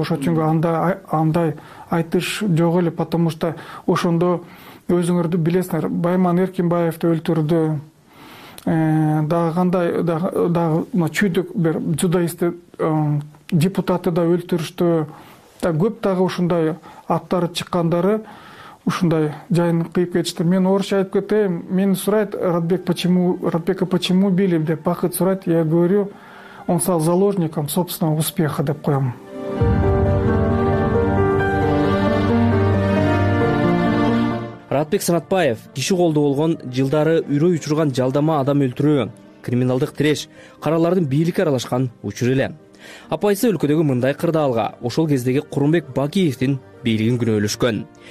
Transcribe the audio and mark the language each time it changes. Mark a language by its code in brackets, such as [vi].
[ky] Ошол үчүн андай айтыш жок эле, [ru] потому что [ky] ошондо өзүңөрдү билесиңер, Байман Эркинбаевди өлтүрдү, дагы кандай дагы мына чүйдүк бир дзюдоисти депутаты да өлтүрүштү. Көп дагы ушундай аттары чыккандары ушундай жайын кыйып кетишти. Мен орусча айтып кетейин, мени сурайт Ратбек, [ru] почему Ратбека почему били [ky] деп, Бакыт сурайт, [ru] я говорю, он стал заложником собственного успеха [ky] деп коем. Ратбек Санатбаев киши колдо болгон жылдары үрөй учурган жалдама адам өлтүрүү, криминалдык тиреш, каралардын бийликке аралашкан учур эле. Апайсы өлкөдөгү мындай кырдаалга ошол кездеги Курумбек Бакиевдин бийлигин күнөөлөшкөн.